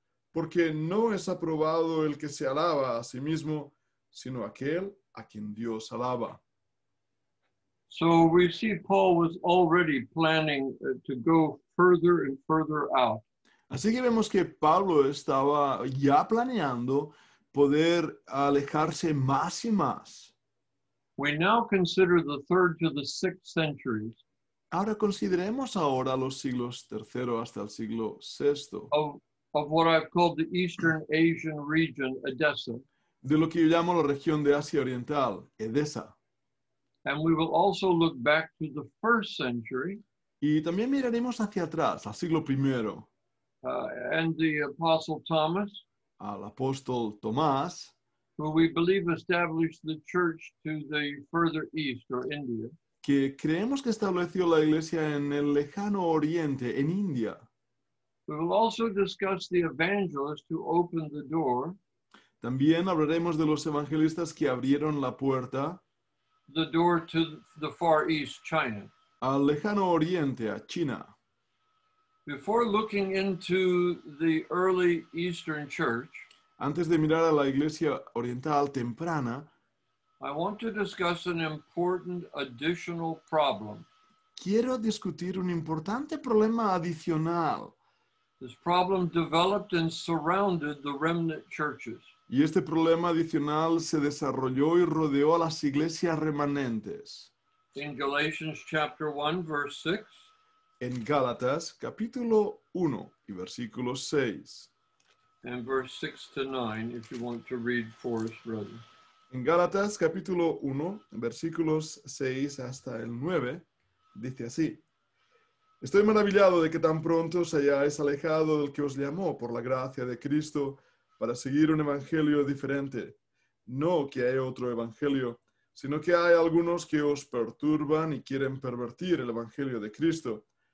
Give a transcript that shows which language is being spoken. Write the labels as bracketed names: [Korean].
[Spanish] Porque no es aprobado el que se alaba a sí mismo, sino aquel a quien Dios alaba. [English] So we see Paul was already planning to go further and further out. [Spanish] Así que vemos que Pablo estaba ya planeando poder alejarse más y más. [English] We now consider the 3rd to the 6th centuries. [Spanish] Ahora consideremos ahora los siglos 3 hasta el siglo 6. [English] Of what I've called the Eastern Asian region, Edessa. [Spanish] De lo que yo llamo la región de Asia Oriental, Edessa. [English] And we will also look back to the 1st century. [Spanish] Y también miraremos hacia atrás, al siglo 1. [English] And the Apostle Thomas. [Spanish] Al apóstol Tomás. [English] Who we believe established the church to the further east or India. [Spanish] Que creemos que estableció la iglesia en el lejano oriente, en India. [English] We will also discuss the evangelist who opened the door. [Spanish] También hablaremos de los evangelistas que abrieron la puerta. [English] The door to the far east, China. [Spanish] Al lejano oriente, a China. [English] Before looking into the early Eastern church, [Spanish] antes de mirar a la iglesia oriental temprana, [English] I want to discuss an important additional problem. [Spanish] Quiero discutir un importante problema adicional. [English] This problem developed and surrounded the remnant churches. [Spanish] Y este problema adicional se desarrolló y rodeó a las iglesias remanentes. [English] In Galatians chapter 1, verse 6. [Spanish] En Gálatas, capítulo 1 y versículo 6. [English] And verse 6 to 9, if you want to read for us, brother. [Spanish] En Gálatas, capítulo 1, versículos 6 hasta el 9, dice así. Estoy maravillado de que tan pronto os hayáis alejado del que os llamó por la gracia de Cristo para seguir un evangelio diferente. No que haya otro evangelio, sino que hay algunos que os perturban y quieren pervertir el evangelio de Cristo.